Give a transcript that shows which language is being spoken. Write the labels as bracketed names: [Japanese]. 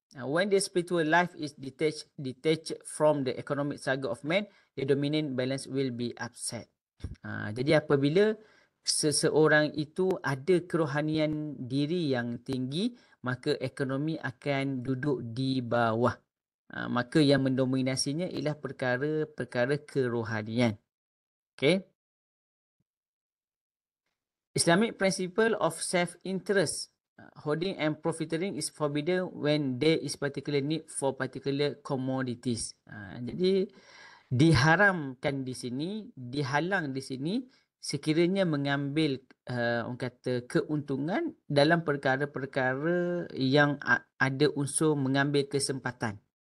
[English] When the spiritual life is detached from the economic struggle of man, the dominant balance will be upset. [Malay] Jadi apabila seseorang itu ada kerohanian diri yang tinggi, maka ekonomi akan duduk di bawah. Maka yang mendominasinya ialah perkara-perkara kerohanian. [English] Okay. Islamic principle of self-interest, hoarding and profiteering is forbidden when there is particular need for particular commodities. [Malay] Jadi diharamkan di sini, dihalang di sini sekiranya mengambil orang kata keuntungan dalam perkara-perkara yang ada unsur mengambil kesempatan.